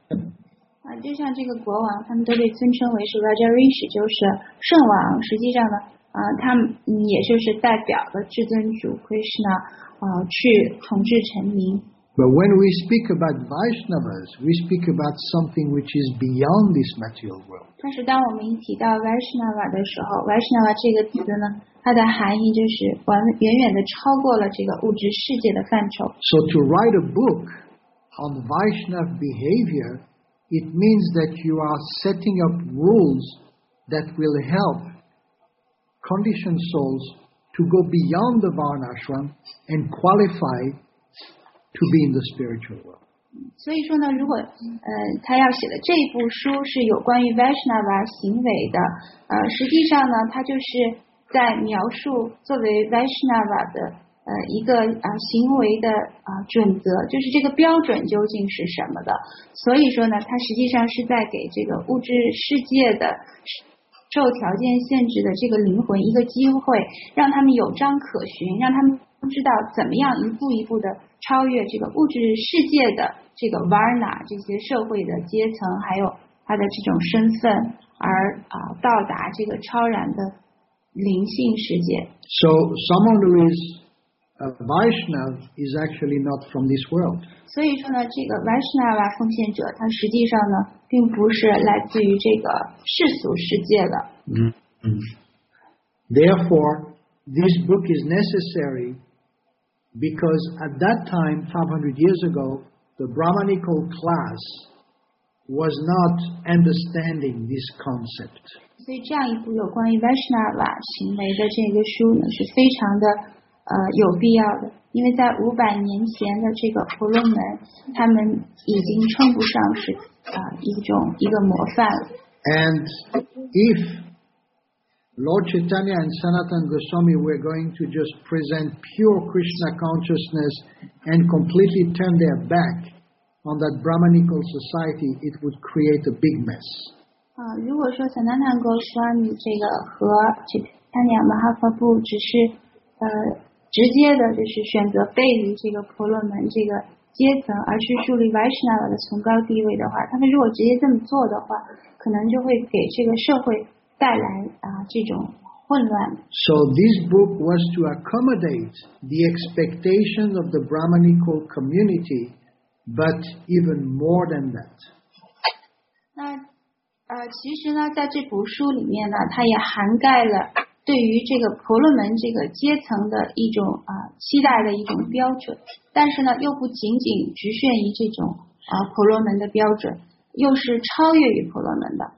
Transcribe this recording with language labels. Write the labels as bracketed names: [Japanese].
[Chinese] 就像这个国王，他们都被尊称为是 Rajarishi， 就是圣王。实际上呢，他们也就是代表的至尊主 Krishna， 去统治臣民。 [English] But when we speak about Vaishnavas, we speak about something which is beyond this material world. [Chinese] 但是当我们提到 Vaishnava 的时候 ，Vaishnava 这个词呢？它的含义就是远远的超过了这个物质世界的范畴。 [English] So to write a book on Vaishnav behavior, it means that you are setting up rules that will help conditioned souls to go beyond the Varnashram and qualify to be in the spiritual world. [Chinese] 所以说呢，如果他要写的这一部书是有关于 Vaishnava 行为的，实际上呢，他就是。在描述作为 Vaishnava 的一个行为的准则，就是这个标准究竟是什么的。所以说呢，它实际上是在给这个物质世界的受条件限制的这个灵魂一个机会，让他们有章可循，让他们知道怎么样一步一步的超越这个物质世界的这个 Varna 这些社会的阶层，还有他的这种身份，而到达这个超然的。灵性世界。 [English] So someone who is a Vaishnava is actually not from this world. [Chinese] 所以说呢，这个 Vaishnava 奉献者，他实际上呢，并不是来自于这个世俗世界的。 [English] Therefore, this book is necessary because at that time, 500 years ago, the Brahmanical class was not understanding this concept. [Chinese] 所以这样一部有关于 Vaishnava 行为的这个书呢，是非常的有必要的，因为在500年前的这个婆罗门，他们已经称不上是一个模范了。 [English] And if Lord Chaitanya and Sanatan Goswami were going to just present pure Krishna consciousness and completely turn their back on that Brahmanical society, it would create a big mess. [Chinese] 如果说 Sanatan Goswami 这个和 Chaitanya Mahaprabhu 只是直接的就是选择背离这个婆罗门这个阶层，而去树立 Vaishnava 的崇高地位的话，他们如果直接这么做的话，可能就会给这个社会带来啊这种混乱。 [English] So this book was to accommodate the expectations of the Brahmanical community, but even more than that. [Chinese] 那其实呢，在这部书里面呢，它也涵盖了。对于这个婆罗门这个阶层的一种啊期待的一种标准，但是呢，又不仅仅局限于这种啊婆罗门的标准，又是超越于婆罗门的。